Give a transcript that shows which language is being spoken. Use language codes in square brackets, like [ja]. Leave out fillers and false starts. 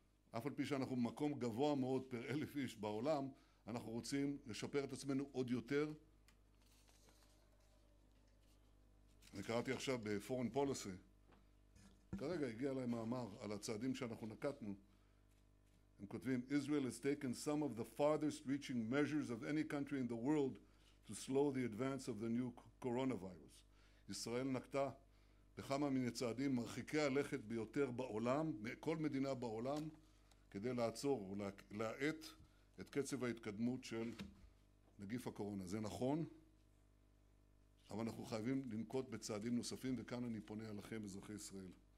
[he] אף על פי שאנחנו במקום גבוה מאוד פר 1,000 איש בעולם, אנחנו רוצים לשפר את עצמנו עוד יותר. אני קראתי עכשיו ב-Foreign Policy, כרגע הגיע אליי מאמר על הצעדים שאנחנו נקטנו. הם כותבים, [en] Israel has taken some of the farthest reaching measures of any country in the world to slow the advance of the new coronavirus. [he] ישראל נקטה בכמה מן הצעדים מרחיקי הלכת ביותר בעולם, מכל מדינה בעולם, כדי לעצור ולהאט את קצב ההתקדמות של נגיף הקורונה. זה נכון, אבל אנחנו חייבים לנקוט בצעדים נוספים, וכאן אני פונה אליכם, אזרחי ישראל.